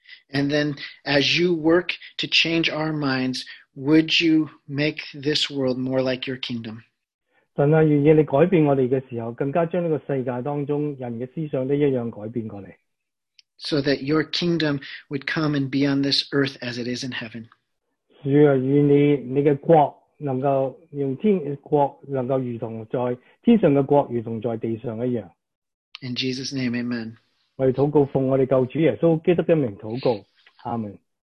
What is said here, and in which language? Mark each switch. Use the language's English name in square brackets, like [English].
[English] And then, as you work to change our minds, would you make this world more like your kingdom? [Cantonese] 神啊，愿意你改变我哋嘅时候，更加将呢个世界当中人嘅思想都一样改变过嚟。 [English] So that your kingdom would come and be on this earth as it is in heaven. [Cantonese] 主啊，愿你嘅国能够用天国能够如同在天上嘅国如同在地上一样。 [English] In Jesus' name, amen. [Cantonese] 我哋祷告奉我哋救主耶稣基督嘅名祷告，阿门。